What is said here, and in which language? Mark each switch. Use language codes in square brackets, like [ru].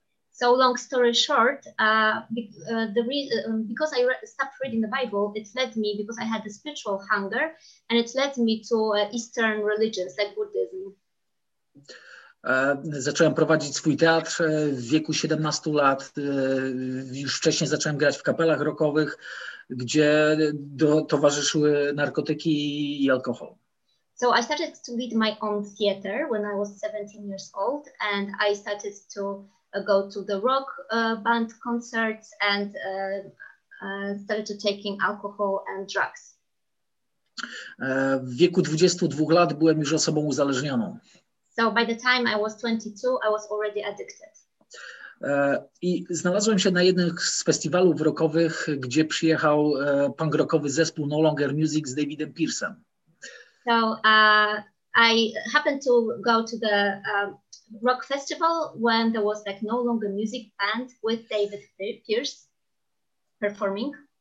[en] So long story short, because I stopped reading the Bible, it led me, because I had a spiritual hunger, and it led me to Eastern religions like Buddhism. [pl] Zacząłem prowadzić swój teatr w wieku 17 lat. Już wcześniej zacząłem grać w kapelach rockowych, gdzie towarzyszyły narkotyki i alkohol. [en] So I started to lead my own theater when I was 17 years old, and I started to go to the rock band concerts and started to taking alcohol and drugs. [pl] W wieku 22 lat byłem już osobą uzależnioną. [en] So by the time I was 22, I was already addicted. [pl] I znalazłem się na jednym z festiwalów rockowych, gdzie przyjechał punk rockowy zespół No Longer Music z Davidem Pearsem. [en] So I happened to go to the rock festival when there was like No Longer Music band with David Pearce performing.